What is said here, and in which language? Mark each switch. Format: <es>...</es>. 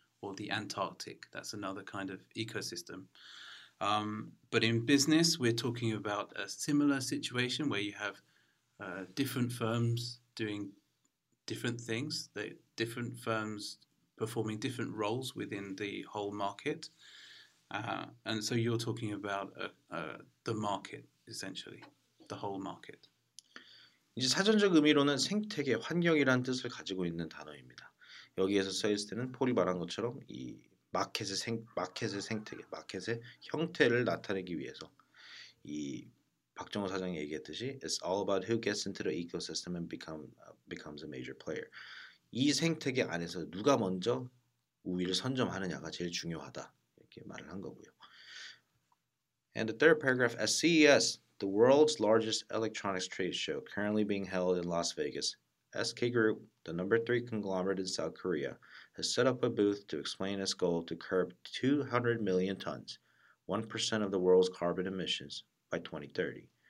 <en>Or the Antarctic, that's another kind of ecosystem. But in business, we're talking about a similar situation where you have different firms doing different things, different firms performing different roles within the whole market. And so you're talking about the market, essentially, the whole market.</en> <ko>이제 사전적 의미로는 생태계, 환경이라는 뜻을 가지고 있는 단어입니다. 여기에서 써 있을 때는 폴이 말한 것처럼 이 마켓의 생태계, 마켓의 형태를 나타내기 위해서 이 박정호 사장이 얘기했듯이</ko> <en>it's all about who gets into the ecosystem and becomes a major player.</en> <ko>이 생태계 안에서 누가 먼저 우위를 선점하느냐가 제일 중요하다. 이렇게 말을 한 거고요.</ko> <en>And the third paragraph at CES, the world's largest electronics trade show currently being held in Las Vegas. SK Group, the number three conglomerate in South Korea, has set up a booth to explain its goal to curb 200 million tons, 1% of the world's carbon emissions, by 2030.</en>